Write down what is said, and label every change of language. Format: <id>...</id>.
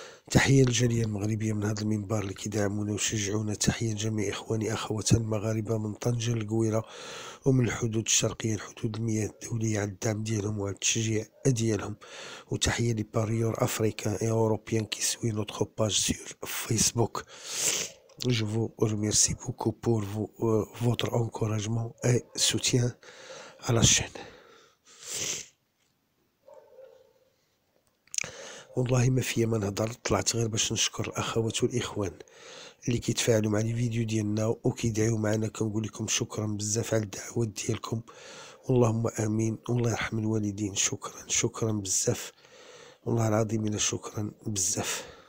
<ar>تحية للجالية المغربية من هذا المنبر اللي كيدعمونا وشجعونا. تحية لجميع إخواني أخواتنا المغاربة من طنجة للقويرة ومن الحدود الشرقية الحدود المياه الدولية على الدعم ديالهم وعلى التشجيع ديالهم.</ar> <fr>وتحية لباريور أفريكا أوروبيان كي سوي نوتخو باج سور فيسبوك. Je vous remercie beaucoup pour votre encouragement et soutien à la chaîne.</fr> <ar>والله ما فيا ما نهضر، طلعت غير باش نشكر الاخوات والاخوان اللي كيتفاعلوا مع الفيديو ديالنا وكيدعيو معنا. كنقول لكم شكرا بزاف على الدعوات ديالكم، اللهم امين، الله يرحم الوالدين. شكرا شكرا بزاف، والله العظيم الى شكرا بزاف.</ar>